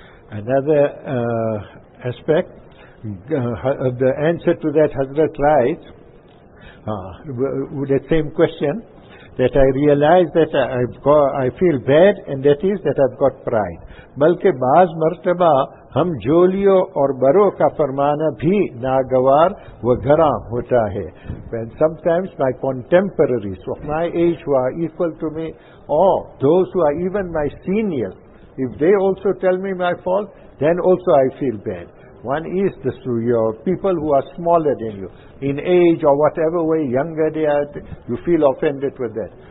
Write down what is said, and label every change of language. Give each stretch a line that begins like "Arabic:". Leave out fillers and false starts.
English: Another aspect, the answer to that, Hazrat writes, with the same question, that I realize that I feel bad, and that is that I've got pride.
Urdu: بلکہ بعض مرتبہ ہم جولیوں اور بروں کا فرمانا بھی ناگوار و گھرام ہوتا ہے.
English: And sometimes my contemporaries of my age who are equal to me, or those who are even my seniors, if they also tell me my fault, then also I feel bad. One is your people who are smaller than you, in age or whatever way, younger they are, you feel offended with that.